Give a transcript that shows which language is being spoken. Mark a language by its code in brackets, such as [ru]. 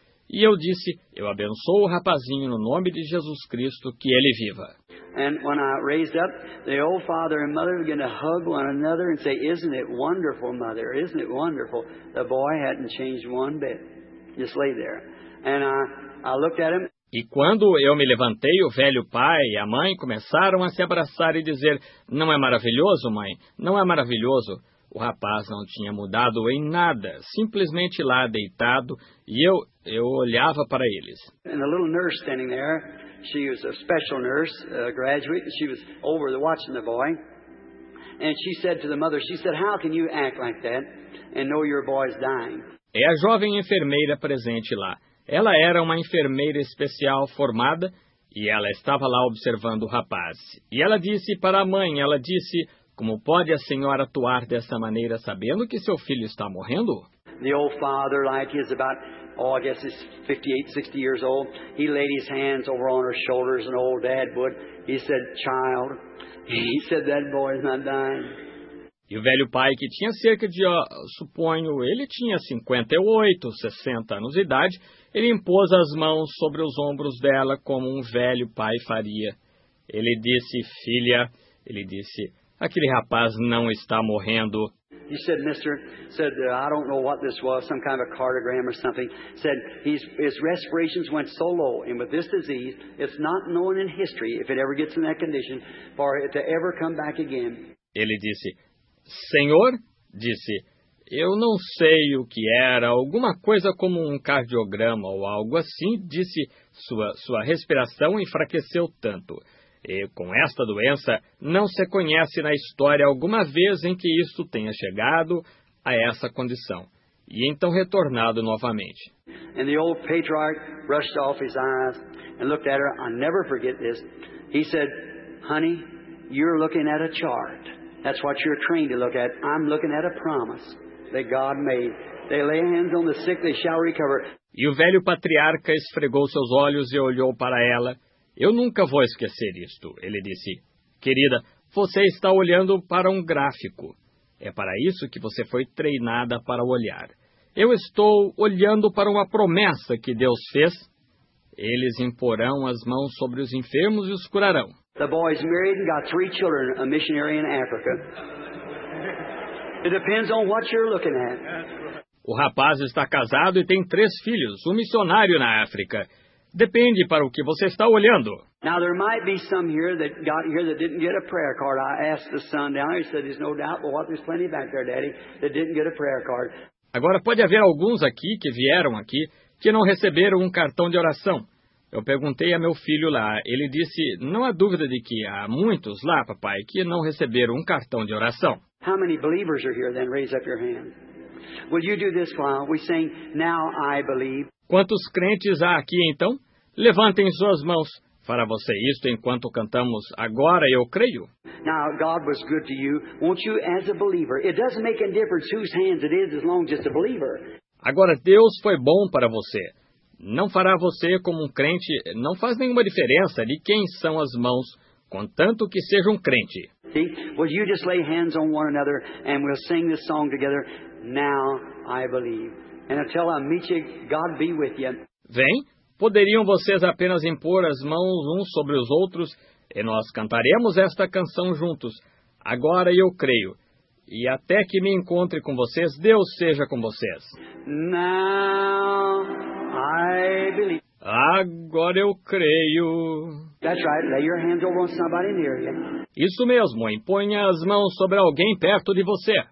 [pt] E eu disse, eu abençoo o rapazinho no nome de Jesus Cristo, que ele viva. [en] And when I raised up, the old father and mother began to hug one another and say, isn't it wonderful, mother? Isn't it wonderful? The boy hadn't changed one bit. Just lay there. And I looked at him. [pt] E quando eu me levantei, o velho pai e a mãe começaram a se abraçar e dizer, não é maravilhoso, mãe? Não é maravilhoso? O rapaz não tinha mudado em nada, simplesmente lá deitado, e eu olhava para eles. [en] And the little nurse standing there, she was a special nurse, a graduate, and she was over the watching the boy. And she said to the mother, she said, how can you act like that and know your boy is dying? [pt] É a jovem enfermeira presente lá. Ela era uma enfermeira especial formada e ela estava lá observando o rapaz. E ela disse para a mãe, ela disse, como pode a senhora atuar dessa maneira sabendo que seu filho está morrendo? [en] The old father, like he's about, oh, I guess he's 58, 60 years old. He laid his hands over on her shoulders, an old dad would. He said, child, he said, that boy is not dying. [pt] E o velho pai, que tinha cerca de, suponho, ele tinha 58, 60 anos de idade, ele impôs as mãos sobre os ombros dela como um velho pai faria. Ele disse, filha, ele disse, aquele rapaz não está morrendo. [en] He said, mister, said, I don't know what this was, some kind of a cardiogram or something. Said, his respirations went so low, and with this disease, it's not known in history if it ever gets in that condition for it to ever come back again. [pt] Ele disse, senhor, disse, eu não sei o que era, alguma coisa como um cardiograma ou algo assim, disse, sua respiração enfraqueceu tanto. E com esta doença, não se conhece na história alguma vez em que isso tenha chegado a essa condição. E então retornado novamente. [en] And the old patriarch rushed off his eyes and looked at her. I'll never forget this. He said, honey, you're looking at a chart. That's what you're trained to look at. I'm looking at a promise that God made. They lay hands on the sick, they shall recover. [pt] E o velho patriarca esfregou seus olhos e olhou para ela. Eu nunca vou esquecer isto. Ele disse, querida, você está olhando para um gráfico. É para isso que você foi treinada para olhar. Eu estou olhando para uma promessa que Deus fez. Eles imporão as mãos sobre os enfermos e os curarão. [en] The boy's married and got 3 children, a missionary in Africa. It depends on what you're looking at. [pt] O rapaz está casado e tem 3 filhos, um missionário na África. Depende para o que você está olhando. [en] Now there might be some here that got here that didn't get a prayer card. I asked the son down there, he said there's no doubt, but what, there's plenty back there, daddy, that didn't get a prayer card. [pt] Agora pode haver alguns aqui que vieram aqui que não receberam um cartão de oração. Eu perguntei a meu filho lá, ele disse, não há dúvida de que há muitos lá, papai, que não receberam um cartão de oração. [en] How many believers are here then? Raise up your hand. Will you do this while we sing, now I believe? [pt] Quantos crentes há aqui, então? Levantem suas mãos. Fará você isto enquanto cantamos Agora Eu Creio? [en] Now, God was good to you. Won't you, as a believer, it doesn't make any difference whose hands it is, as long as it's a believer. [pt] Agora, Deus foi bom para você. Não fará você como um crente, não faz nenhuma diferença de quem são as mãos, contanto que seja um crente. [en] See? Will you just lay hands on one another and we'll sing this song together, Now I Believe. And until I meet you, God be with you. [pt] Vem, poderiam vocês apenas impor as mãos uns sobre os outros e nós cantaremos esta canção juntos. Agora eu creio. E até que me encontre com vocês, Deus seja com vocês. [en] Now I believe. [pt] Agora eu creio. [en] That's right. Lay your hands over somebody near you. [pt] Isso mesmo, imponha as mãos sobre alguém perto de você.